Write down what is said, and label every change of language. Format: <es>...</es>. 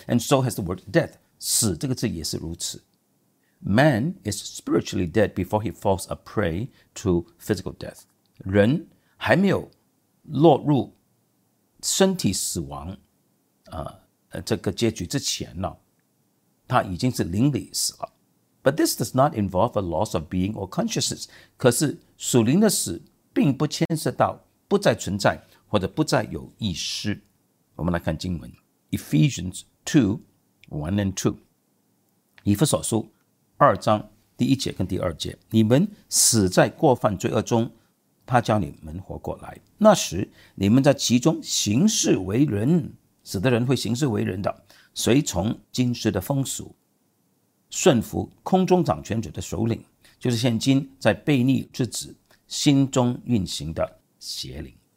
<en>And so has the word death.</en> <zh>死这个字也是如此。</zh> <en>Man is spiritually dead before he falls a prey to physical death.</en> <zh>人还没有落入身体死亡这个结局之前呢，他已经是灵里死了。</zh> <en>But this does not involve a loss of being or consciousness.</en> <zh>可是属灵的死并不牵涉到不再存在或者不再有意识。我们来看经文 Ephesians 2:1-2 以弗所书二章第一节跟第二节，你们死在过犯罪恶中，他叫你们活过来，那时你们在其中行事为人，死的人会行事为人的，随从今世的风俗，顺服空中掌权者的首领，就是现今在悖逆之子心中运行的邪灵。</zh>